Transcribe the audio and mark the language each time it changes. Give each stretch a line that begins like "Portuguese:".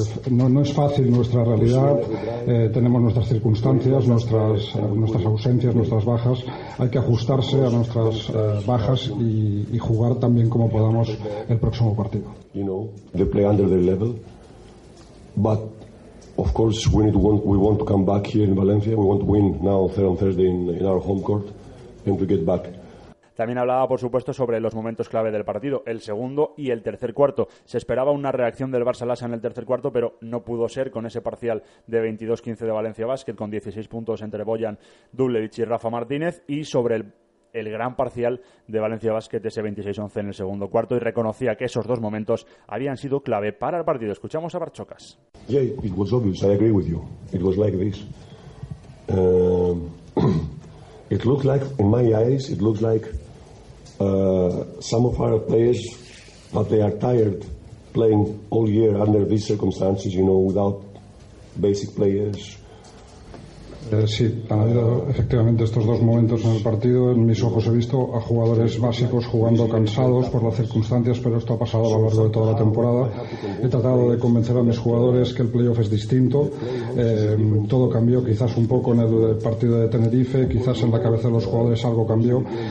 Spanish: No es fácil nuestra realidad. Tenemos nuestras circunstancias, nuestras ausencias, nuestras bajas. Hay que ajustarse a nuestras bajas y jugar también como podamos el próximo partido.
English: You know, they play under their level, but of course we want to come back here in Valencia. We want to win now on Thursday in our home court and to get back.
Spanish: También hablaba, por supuesto, sobre los momentos clave del partido, el segundo y el tercer cuarto. Se esperaba una reacción del Barça-Lasa en el tercer cuarto, pero no pudo ser con ese parcial de 22-15 de Valencia Basket, con 16 puntos entre Bojan Dublevic y Rafa Martínez, y sobre el gran parcial de Valencia Basket, ese 26-11 en el segundo cuarto, y reconocía que esos dos momentos habían sido clave para el partido. Escuchamos a Barchokas.
English: Yeah, it was obvious. I agree with you. It was like this. It looks like, in my eyes, it looks like some of our players, that they are tired playing all year under these circumstances, you know, without basic players.
Spanish: Sí, han habido efectivamente estos dos momentos en el partido. En mis ojos he visto a jugadores básicos jugando cansados por las circunstancias, pero esto ha pasado a lo largo de toda la temporada. He tratado de convencer a mis jugadores que el playoff es distinto. Todo cambió quizás un poco en el partido de Tenerife, quizás en la cabeza de los jugadores algo cambió.